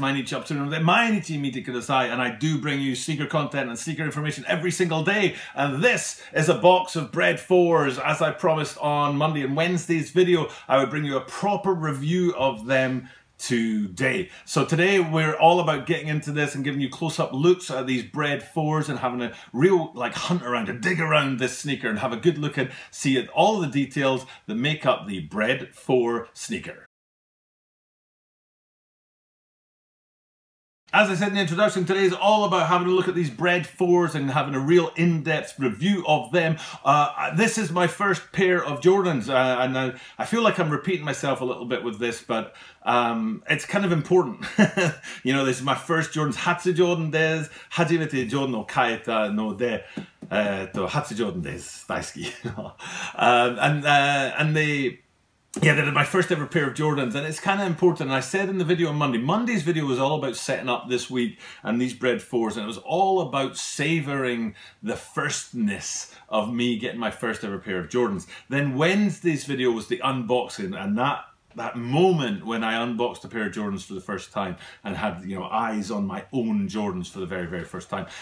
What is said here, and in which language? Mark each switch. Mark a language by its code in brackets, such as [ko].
[ja] 毎日アップするので、毎日見てください。 [en] And I do bring you sneaker content and sneaker information every single day. And this is a box of Bread 4s. As I promised on Monday and Wednesday's video, I would bring you a proper review of them today. So today we're all about getting into this and giving you close-up looks at these Bread 4s and having a real like hunt around, a dig around this sneaker and have a good look and see at all the details that make up the Bread 4 sneaker. As I said in the introduction, today is all about having a look at these Bread 4s and having a real in-depth review of them. This is my first pair of Jordans, and I feel like I'm repeating myself a little bit with this, but it's kind of important. You know, this is my first Jordans. [ja] 初ジョーダンです。初めてジョーダンを買えたので、初ジョーダンです。大好き。 [en] Yeah, they're my first ever pair of Jordans, and it's kind of important. And I said in the video on Monday, Monday's video was all about setting up this week and these Bread 4s, and it was all about savoring the firstness of me getting my first ever pair of Jordans. Then Wednesday's video was the unboxing, and that moment when I unboxed a pair of Jordans for the first time and had, you know, eyes on my own Jordans for the very, very first time.